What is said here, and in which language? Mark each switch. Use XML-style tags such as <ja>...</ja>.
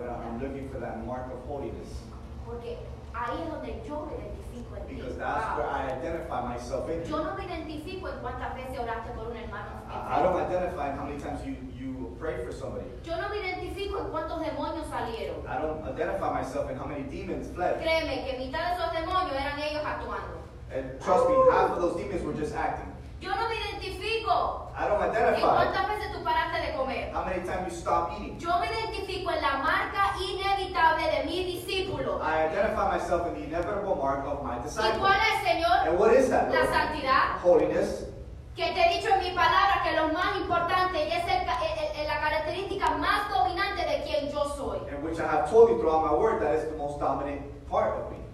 <en>But I'm looking for that mark of holiness.</en> <es>Porque ahí es donde yo me identifico en ti.</es> <en>Because that's wow. Where I identify myself in.</en> <es>Yo no me identifico en cuántas veces oraste por un hermano.</es> <en>I don't identify how many times you pray for somebody.</en> <es>Yo no me identifico en cuántos demonios salieron.</es> <en>I don't identify myself in how many demons fled.</en> <es>Créeme que mitad de esos demonios eran ellos actuando.</es> <en>And trust me, half of those demons were just acting.</en> <es>Yo no me identifico.</es> <en>I don't identify.</en> <es>¿Y cuántas veces tú paraste de comer?</es> <en>How many times you stop eating?</en> <es>Yo me identifico en la marca inevitable de mi discípulo.</es> <en>I identify myself in the inevitable mark of my disciple.</en> <es>¿Y cuál es, Señor?</es> <en>And what is that?</en> <es>La santidad.</es> <en>Holiness.</en> <es>Que te he dicho en mi palabra que lo más importante y es la característica más dominante de quien yo soy.</es> <en>And which I have told you throughout my word that is the most dominant part of me.</en>